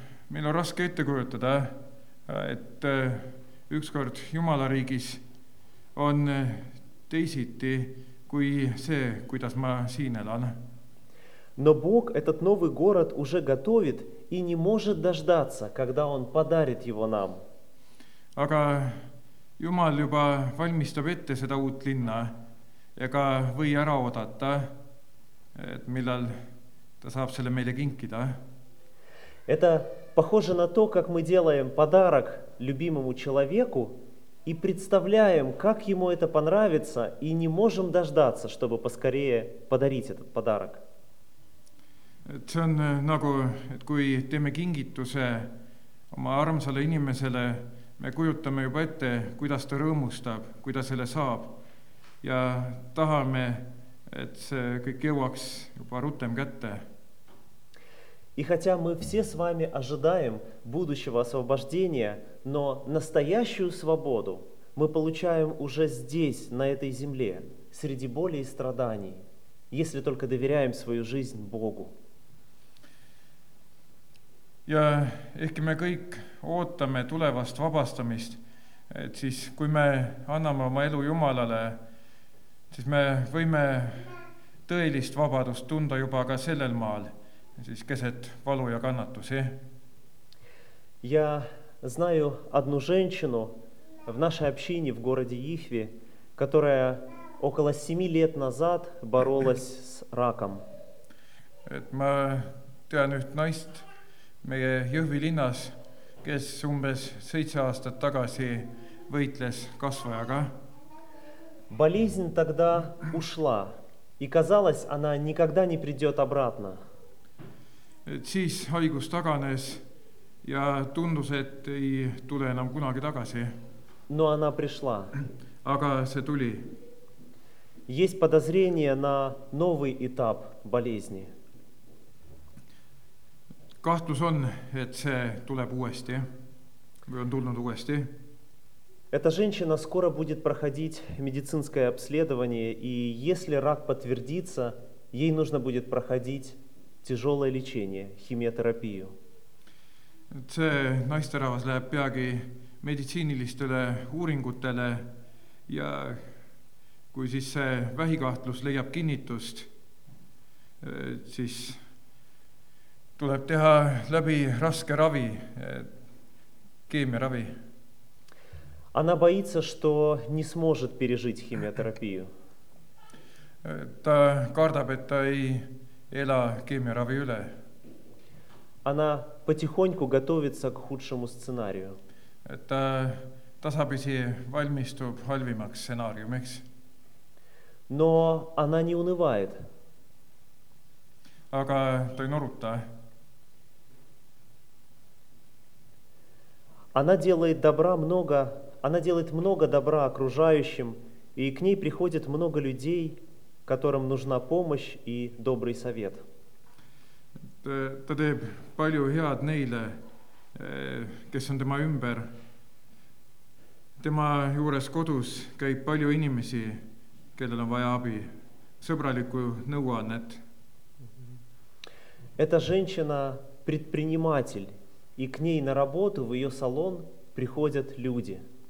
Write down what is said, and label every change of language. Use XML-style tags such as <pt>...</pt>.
<et>Meil on raske ette kujutada, et ükskord Jumala riigis on teisiti kui see, kuidas ma siin elan.</et> <ru>Но Бог этот новый город уже готовит и не может дождаться, когда он подарит его нам.</ru> <et>aga Jumal juba valmistab ette seda uut linna ja ka või ära oodata, et millal ta saab selle meile kinkida.</et> <ru>Это похоже на то, как мы делаем подарок любимому человеку и представляем, как ему это понравится, и не можем дождаться, чтобы поскорее подарить этот подарок. Это как, когда мы делаем</ru> <et>кингитусе oma armsale inimesele, me kujutame juba ette, kuidas ta rõõmustab, kuidas selle saab. Ja tahame, et see kõik jõuaks juba rutem kätte.</et> <ru>И хотя мы все с вами ожидаем будущего освобождения, но настоящую свободу мы получаем уже здесь, на этой земле, среди боли и страданий, если только доверяем свою жизнь Богу.</ru> <et>Ja ehkki me kõik ootame tulevast vabastamist, et siis kui me anname oma elu Jumalale, siis me võime tõelist vabadust tunda juba ka sellel maal, siis keset valu ja kannatusi.</et> <ru>Я знаю одну женщину в нашей общине в городе Ифве, которая около 7 лет назад боролась с раком.</ru> <et>Et ma tean üht naist meie Jõhvi linnas, kes umbes 7 aastat tagasi võitles kasvajaga.</et> <ru>Болезнь тогда ушла, и казалось, она никогда не придет обратно.</ru> <et>Siis haigus taganes ja tundus, et ei tule enam kunagi tagasi.</et> <ru>Но она пришла.</ru> <et>Aga see tuli.</et> <ru>Есть подозрение на новый этап болезни.</ru> <et>Kahtlus on, et see tuleb uuesti või on tulnud uuesti.</et> <ru>Эта женщина скоро будет проходить медицинское обследование, и если рак подтвердится, ей нужно будет проходить тяжелое лечение, химиотерапию.</ru> <et>See naisterahvas läheb peagi meditsiinilistele uuringutele ja kui siis see vähikahtlus leiab kinnitust, siis tuleb teha läbi raske ravi, keemia ravi.</et> <ru>Она боится, что не сможет пережить химиотерапию.</ru> <et>Ta kardab, et ta ei ela keemia ravi üle.</et> <ru>Она потихоньку готовится к худшему сценарию.</ru> <et>Ta tasapisi valmistub halvimaks сценариumiks.</et> <ru>Но она не унывает.</ru> <et>Aga ta ei noruta.</et> <ru>Она делает добра много, она делает много добра окружающим, и к ней приходит много людей, которым нужна помощь и добрый совет.</ru> <et>Ta teeb palju head neile, kes on tema ümber. Tema juures kodus käib palju inimesi, kellel on vaja abi, sõbralikku nõuannet.</et> <ru>Эта женщина предприниматель. И к ней на работу, в ее салон, приходят люди.</ru>